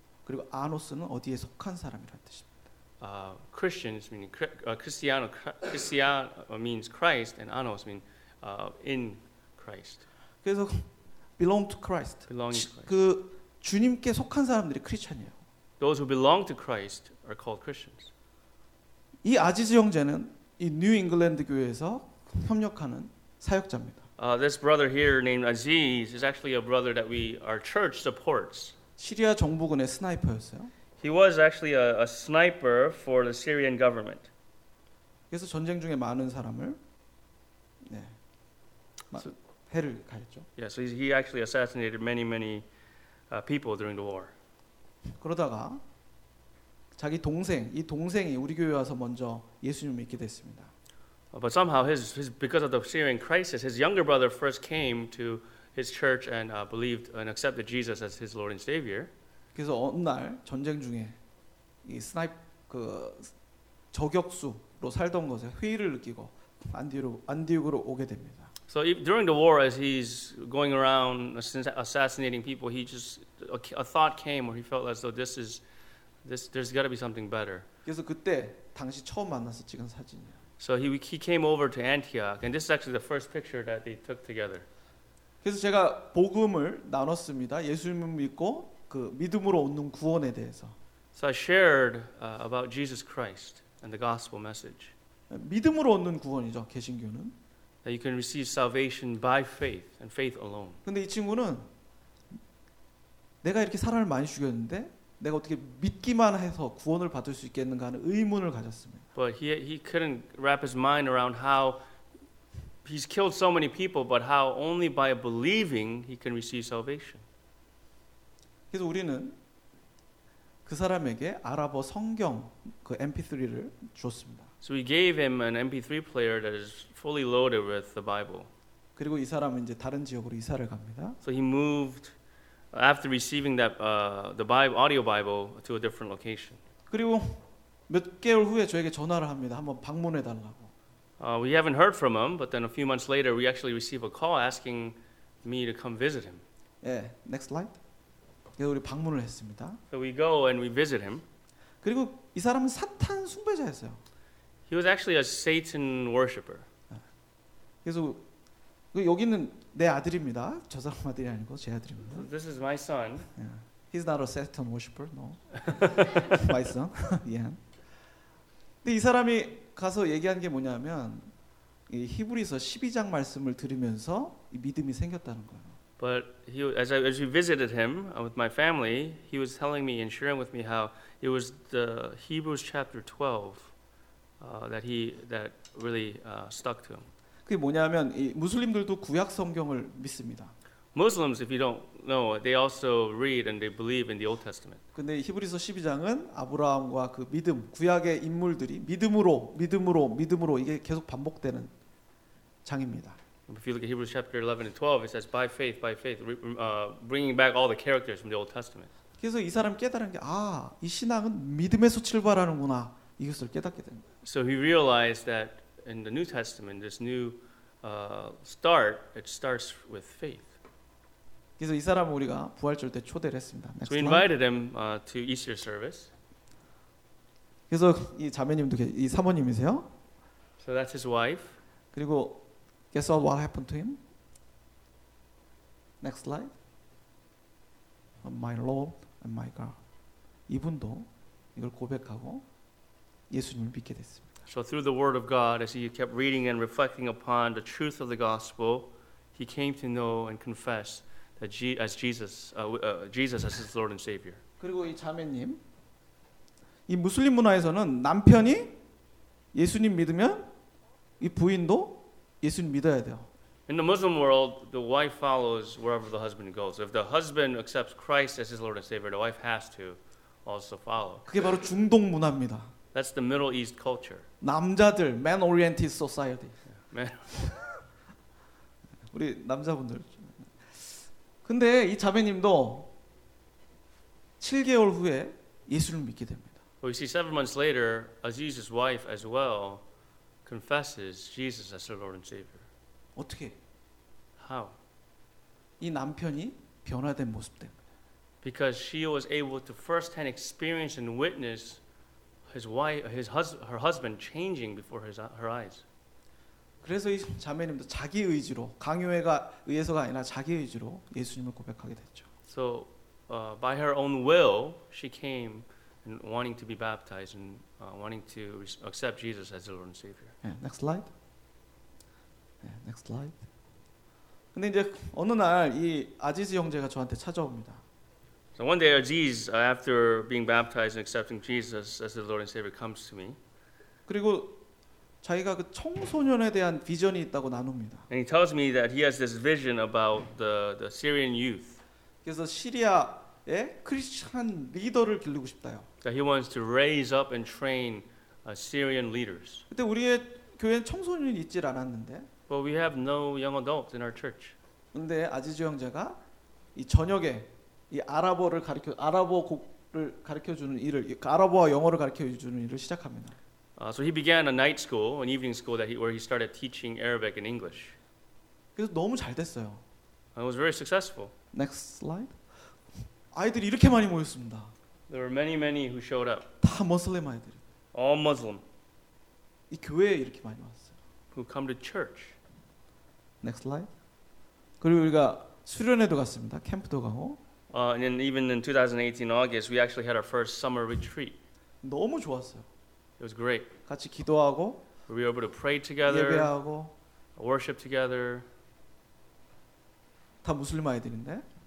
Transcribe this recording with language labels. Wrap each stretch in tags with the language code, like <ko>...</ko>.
<ko>그리고 anos는 어디에 속한 사람이란 뜻입니다.</ko> <en>Christians meaning Christiano. Christian means Christ, and anos mean in Christ.</en> <ko>그래서</ko> <en>belong to Christ. Belonging to Christ.</en> <ko>그 주님께 속한 사람들이 크리스천이에요.</ko> <en>Those who belong to Christ are called Christians.</en> <ko>이 아지즈 형제는 이 뉴 잉글랜드 교회에서 협력하는 사역자입니다.</ko> <en>This brother here named Aziz is actually a brother that our church supports.</en> <ko>시리아 정부군의 스나이퍼였어요.</ko> <en>He was actually a sniper for the Syrian government.</en> <ko>그래서 전쟁 중에 많은 사람을 해를 가했죠.</ko> <en>Yeah, so he actually assassinated many people during the war.</en> <ko>그러다가 자기 동생, 이 동생이 우리 교회 와서 먼저 예수님 믿게 됐습니다.</ko> <en>But somehow his because of the Syrian crisis, his younger brother first came to his church and believed and accepted Jesus as his Lord and Savior.</en> <ko>그래서 어느 날 전쟁 중에 이 그 저격수로 살던 것에 회의를 느끼고 안디옥으로 오게 됩니다.</ko> <en>So during the war, as he's going around assassinating people, he just a thought came where he felt as though there's got to be something better.</en> <ko>그래서 그때 당시 처음 만나서 찍은 사진이에요.</ko> <en>So he came over to Antioch, and this is actually the first picture that they took together.</en> <ko>그래서 제가 복음을 나눴습니다. 예수님을 믿고 그 믿음으로 얻는 구원에 대해서.</ko> <en>So I shared about Jesus Christ and the gospel message.</en> <ko>믿음으로 얻는 구원이죠, 개신교는.</ko> <en>That you can receive salvation by faith and faith alone.</en> <ko>근데 이 친구는 내가 이렇게 사람을 많이 죽였는데 내가 어떻게 믿기만 해서 구원을 받을 수 있겠는가 하는 의문을 가졌습니다.</ko> <en>But he couldn't wrap his mind around how he's killed so many people, but how only by believing he can receive salvation.</en> <ko>그래서 우리는 그 사람에게 아랍어 성경 그 MP3를 줬습니다.</ko> <en>So we gave him an MP3 player that is fully loaded with the Bible.</en> <ko>그리고 이 사람은 이제 다른 지역으로 이사를 갑니다.</ko> <en>So he moved after receiving that the Bible, audio Bible to a different location.</en> <ko>그리고 몇 개월 후에 저에게 전화를 합니다. 한번 방문해 달라고.</ko> <en>We haven't heard from him, but then a few months later we actually receive a call asking me to come visit him.</en> <ko>예,</ko> <en>next slide.</en> <ko>그래서 우리 방문을 했습니다.</ko> <en>So we go and we visit him.</en> <ko>그리고 이 사람은 사탄 숭배자였어요.</ko> <en>He was actually a Satan worshipper.</en> <ko>그래서 여기는 내 아들입니다. 저 사람 아들이 아니고 제 아들입니다.</ko> <en>This is my son. Yeah. He's not a Satan worshipper, no. My son. Yeah.</en> <ko>근데 이 사람이 가서 얘기한 게 뭐냐면 이 히브리서 12장 말씀을 들으면서 이 믿음이 생겼다는 거예요.</ko> <en>But he, as we visited him with my family, he was telling me and sharing with me how it was the Hebrews chapter 12 that really stuck to him.</en> <ko>그게 뭐냐면 이 무슬림들도 구약 성경을 믿습니다.</ko> <en>Muslims, if you don't know, they also read and they believe in the Old Testament.</en> <ko>근데 히브리서 12장은 아브라함과 그 믿음, 구약의 인물들이 믿음으로, 믿음으로, 믿음으로 이게 계속 반복되는 장입니다.</ko> <en>If you look at Hebrews chapter 11 and 12, it says by faith, bringing back all the characters from the Old Testament.</en> <ko>그래서 이 사람 깨달은 게 아, 이 신앙은 믿음에서 출발하는구나 이것을 깨닫게 된 거예요.</ko> <en>So he realized that in the New Testament, this new start, it starts with faith.</en> <ko>그래서 이 사람 우리가 부활절 때 초대를 했습니다.</ko> <en>So we invited him to Easter service.</en> <ko>그래서 이 자매님도 이 사모님이세요?</ko> <en>So that's his wife.</en> <ko>그리고</ko> <en>Guess what happened to him? Next slide. My Lord and my God.</en> <ko>이분도 이걸 고백하고 예수님을 믿게 됐습니다.</ko> <en>So through the word of God, as he kept reading and reflecting upon the truth of the gospel, he came to know and confess that Jesus as his Lord and Savior.</en> <ko>그리고 이 자매님, 이 무슬림 문화에서는 남편이 예수님 믿으면 이 부인도 예수님 믿어야 돼요.</ko> <en>In the Muslim world, the wife follows wherever the husband goes. If the husband accepts Christ as his Lord and Savior, the wife has to also follow.</en> <ko>그게 바로 중동 문화입니다.</ko> <en>That's the Middle East culture.</en> <ko>남자들,</ko> <en>man-oriented society. Man.</en> <ko>우리 남자분들. 근데 이 자매님도 7개월 후에 예수를 믿게 됩니다.</ko> <en>We see 7 months later, Aziz's wife as well confesses Jesus as her Lord and Savior.</en> <ko>어떻게?</ko> <en>How?</en> <ko>이 남편이 변화된 모습 때문에.</ko> <en>Because she was able to firsthand experience and witness his wife, his her husband changing before her eyes.</en> <ko>그래서 이 자매님도 자기 의지로 강요회가 의해서가 아니라 자기 의지로 예수님을 고백하게 됐죠.</ko> <en>So by her own will, she came and wanting to be baptized and wanting to accept Jesus as her Lord and Savior. Yeah, next slide. Yeah, next slide.</en> <ko>근데 이제 어느 날 이 아지즈 형제가 저한테 찾아옵니다.</ko> <en>So one day Aziz, after being baptized and accepting Jesus as his Lord and Savior, comes to me.</en> <ko>그리고 자기가 그 청소년에 대한 비전이 있다고 나눕니다.</ko> <en>And he tells me that he has this vision about the Syrian youth.</en> <ko>그래서 시리아의 크리스찬 리더를 기르고 싶다요.</ko> <en>That he wants to raise up and train Syrian leaders.</en> <ko>그때 우리의 교회는 청소년이 있질 않았는데.</ko> <en>But we have no young adults in our church.</en> <ko>근데 아지즈 형제가 이 저녁에 이 아랍어를 가르쳐 아랍어를 가르쳐 주는 일을 아랍어와 영어를 가르쳐 주는 일을 시작합니다.</ko> <en>So he began a night school, an evening school that where he started teaching Arabic and English.</en> <ko>그래서 너무 잘 됐어요.</ko> <en>And it was very successful. Next slide.</en> <ko>아이들이 이렇게 많이 모였습니다.</ko> <en>There were many, many who showed up.</en> <ko>다 무슬림 아이들.</ko> <en>All Muslim.</en> <ko>이 교회에 이렇게 많이 왔어요.</ko> <en>Who come to church? Next slide.</en> <ko>그리고 우리가 수련회도 갔습니다. 캠프도 가고.</ko> <en>And then even in 2018 August, we actually had our first summer retreat.</en> <ko>너무 좋았어요.</ko> <en>It was great.</en> <ko>같이 기도하고.</ko> <en>We were able to pray together.</en> <ko>예배하고.</ko> <en>Worship together.</en> <ko>다 무슬림 아이들인데.</ko>